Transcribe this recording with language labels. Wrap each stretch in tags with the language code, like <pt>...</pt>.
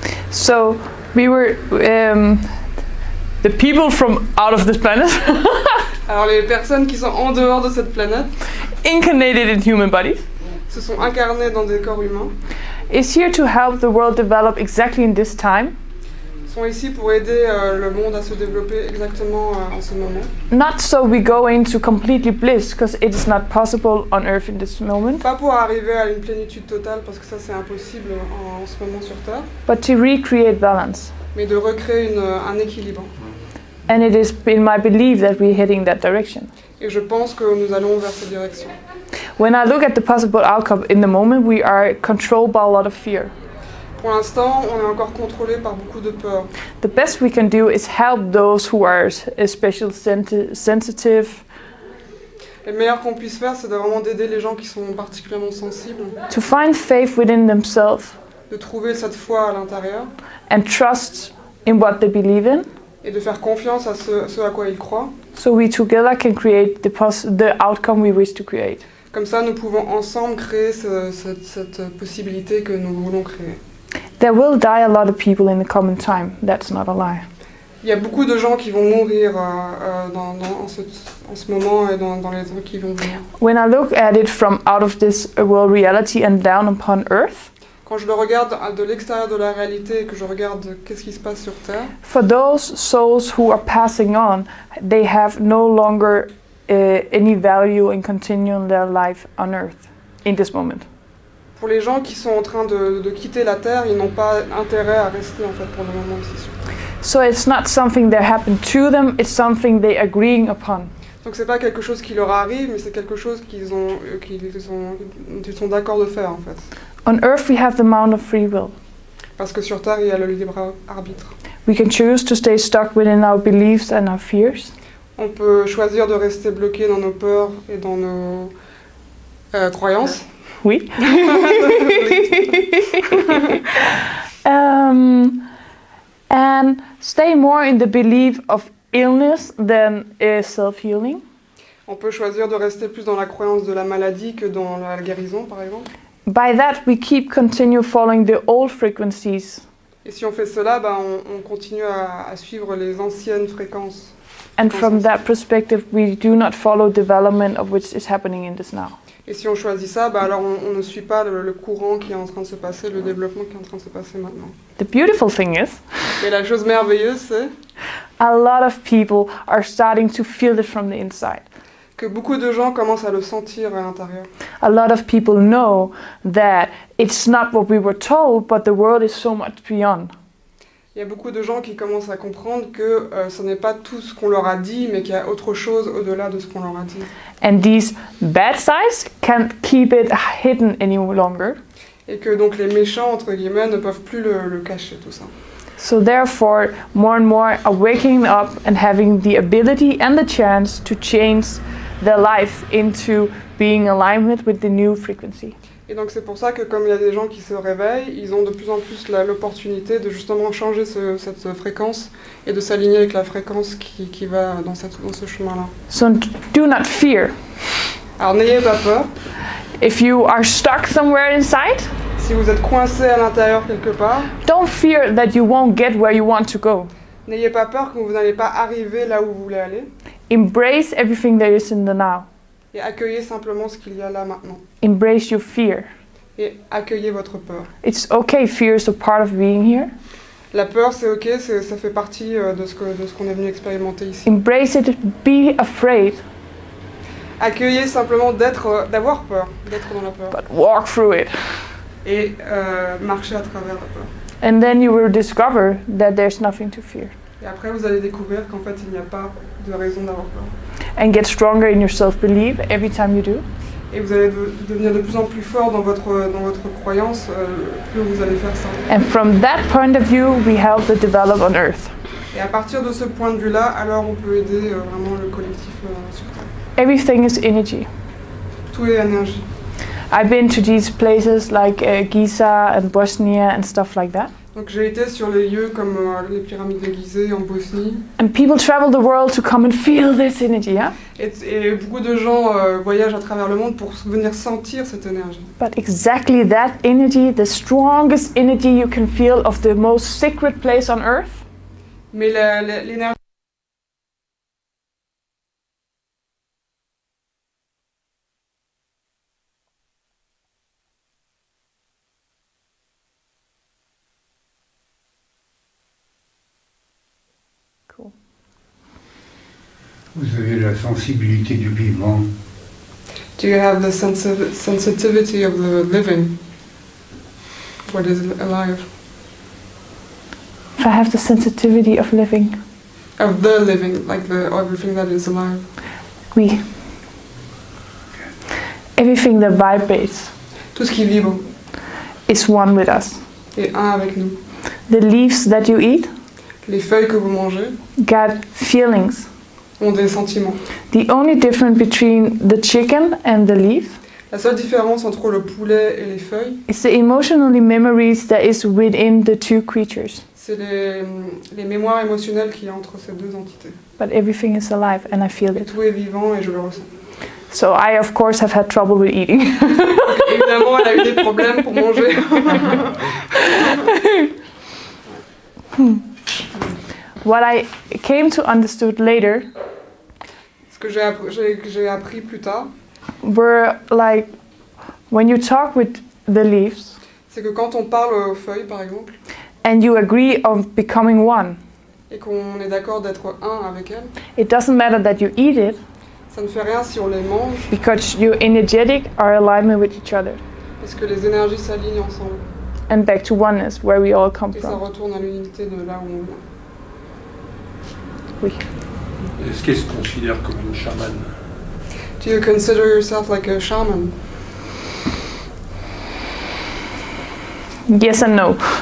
<en>So we were the people from out of this planet.</en> <fr>Alors les personnes qui sont en dehors de cette planète,</fr> <en>incarnated in human bodies,</en> <fr>se sont incarnées dans des corps humains,</fr> <en>is here to help the world develop exactly in this time.</en> <fr>Sont ici pour aider le monde à se développer exactement en ce moment.</fr> <en>Not so we go into completely bliss, because it is not possible on Earth in this moment.</en> <fr>Pas pour arriver à une plénitude totale, parce que ça c'est impossible en ce moment sur Terre.</fr> <en>But to recreate balance.</en> <fr>Mais de recréer un équilibre.</fr> <en>And it is in my belief that we're heading that direction.</en> <fr>Et je pense que nous allons vers cette direction.</fr> <en>When I look at the possible outcome in the moment, we are controlled by a lot of fear.</en> <fr>Pour l'instant, on est encore contrôlé par beaucoup de peur.</fr> <en>The best we can do is help those who are especially sensitive.</en> <fr>Le meilleur qu'on puisse faire, c'est de vraiment d'aider les gens qui sont particulièrement sensibles.</fr> <en>To find faith within themselves.</en> <fr>De trouver cette foi à l'intérieur.</fr> <en>And trust in what they believe in.</en> <fr>Et de faire confiance à ce à quoi ils croient.</fr> <en>So we together can create the outcome we wish to create.</en> <fr>Comme ça, nous pouvons ensemble créer cette possibilité que nous voulons créer.</fr> <en>There will die a lot of people in the coming time. That's not a lie.</en> <fr>Il y a beaucoup de gens qui vont mourir en ce moment et dans les trucs qui vont venir.</fr> <en>When I look at it from out of this world reality and down upon Earth.</en> <fr>Quand je le regarde de l'extérieur de la réalité et que je regarde qu'est-ce qui se passe sur Terre.</fr> <en>For those souls who are passing on, they have no longer any value in continuing their life on Earth in this moment.</en> <fr>Pour les gens qui sont en train de quitter la Terre, ils n'ont pas intérêt à rester en fait pour le moment ici.</fr> <en>So it's not something that happened to them, it's something they agreeing upon.</en> <fr>Donc c'est pas quelque chose qui leur arrive, mais c'est quelque chose qu'ils sont d'accord de faire en fait.</fr> <en>On Earth we have the mount of free will.</en> <fr>Parce que sur Terre il y a le libre arbitre.</fr> <en>We can choose to stay stuck within our beliefs and our fears.</en> <fr>On peut choisir de rester bloqué dans nos peurs et dans nos croyances. Oui.</fr> <en>and stay more in the belief of illness than self-healing.</en> <fr>On peut choisir de rester plus dans la croyance de la maladie que dans la guérison, par exemple.</fr> <en>By that, we keep continue following the old frequencies.</en> <fr>Et si on fait cela, bah, on continue à suivre les anciennes fréquences.</fr> <en>And from that perspective, we do not follow development of which is happening in this now.</en> <fr>Et si on choisit ça, bah alors on ne suit pas le courant qui est en train de se passer, le développement qui est en train de se passer maintenant.</fr> <en>The beautiful thing is,</en> <fr>et la chose merveilleuse, c'est</fr> <en>a lot of people are starting to feel it from the inside.</en> <fr>Que beaucoup de gens commencent à le sentir à l'intérieur.</fr> <en>A lot of people know that it's not what we were told, but the world is so much beyond.</en> <fr>Il y a beaucoup de gens qui commencent à comprendre que ce n'est pas tout ce qu'on leur a dit, mais qu'il y a autre chose au-delà de ce qu'on leur a dit.</fr> <en>And these bad sides can't keep it hidden any longer.</en> <fr>Et que donc les méchants, entre guillemets, ne peuvent plus le cacher, tout ça.</fr> <en>So therefore, more and more are waking up and having the ability and the chance to change their life into being alignment with the new frequency.</en> <fr>Et donc c'est pour ça que comme il y a des gens qui se réveillent, ils ont de plus en plus l'opportunité de justement changer cette fréquence et de s'aligner avec la fréquence qui va dans ce chemin-là.</fr> <en>So do not fear.</en> <fr>Alors n'ayez pas peur.</fr> <en>If you are stuck somewhere inside,</en> <fr>si vous êtes coincé à l'intérieur quelque part,</fr> <en>don't fear that you won't get where you want to go.</en> <fr>N'ayez pas peur que vous n'allez pas arriver là où vous voulez aller.</fr> <en>Embrace everything there is in the now.</en> <fr>Et accueillez simplement ce qu'il y a là maintenant.</fr> <en>Embrace your fear.</en> <fr>Et accueillez votre peur.</fr> <en>It's okay, fear is a part of being here.</en> <fr>La peur, c'est ok, ça fait partie de ce qu'on est venu expérimenter ici.</fr> <en>Embrace it, be afraid.</en> <fr>Accueillez simplement d'avoir peur, d'être dans la peur.</fr> <en>But walk through it.</en> <fr>Et marcher à travers la peur.</fr> <en>And then you will discover that there's nothing to fear.</en> <fr>Et après, vous allez découvrir qu'en fait, il n'y a pas de raison d'avoir peur.</fr> <en>And get stronger in your self-belief every time you do.</en> <fr>Et vous allez devenir de plus en plus fort dans votre croyance plus vous allez faire ça.</fr> <en>And from that point of view, we help the develop on Earth.</en> <fr>Et à partir de ce point de vue-là, alors on peut aider vraiment le collectif sur Terre.</fr> <en>Everything is energy.</en> <fr>Tout est énergie.</fr> <en>I've been to these places like Giza and Bosnia and stuff like that.</en> <fr>Donc j'ai été sur les lieux comme les pyramides de Gizeh en Bosnie.</fr> <en>And people travel the world to come and feel this energy, yeah?</en> <fr>Et beaucoup de gens voyagent à travers le monde pour venir sentir cette énergie.</fr> <en>But exactly that energy, the strongest energy you can feel of the most sacred place on Earth.</en> <fr>Mais l'énergie vous avez la sensibilité du vivant.</fr> <en>Do you have the sensitivity of the living? What is alive? If I have the sensitivity of living. Of the living, like the everything that is alive.</en> <fr>Oui.</fr> <en>Everything that vibrates.</en> <fr>Tout ce qui vibre.</fr> <en>Is one with us.</en> <fr>Et un avec nous.</fr> <en>The leaves that you eat.</en> <fr>Les feuilles que vous mangez.</fr> <en>Got feelings.</en> <fr>Ont des sentiments.</fr> <en>The only difference between the chicken and the leaf.</en> <fr>La seule différence entre le poulet et les feuilles.</fr> <en>Is the emotional memories that is within the two creatures.</en> <fr>C'est les mémoires émotionnelles qui entre ces deux entités.</fr> <en>But everything is alive and I feel</en> <fr>et</fr> <en>it.</en> <fr>Tout est vivant et je le ressens.</fr> <en>So I of course have had trouble with eating.</en> <fr>Évidemment, elle a eu des problèmes pour manger.</fr> <en>What I came to understood later,</en> <fr>ce que j'ai appris plus tard,</fr> <en>were like when you talk with the leaves,</en> <fr>c'est que quand on parle aux feuilles, par exemple,</fr> <en>and you agree on becoming one,</en> <fr>et qu'on est d'accord d'être un avec elles,</fr> <en>it doesn't matter that you eat it,</en> <fr>ça ne fait rien si on les mange,</fr> <en>because your energetic are alignment with each other,</en> <fr>parce que les énergies s'alignent ensemble,</fr> <en>and back to oneness where we all come</en> <fr>et</fr> <en>from,</en> <fr>et ça retourne à l'unité de là où on vient. Oui. Est-ce qu'elle se considère comme une chamane?</fr> <en>Do you consider yourself like a shaman? Yes and no.</en>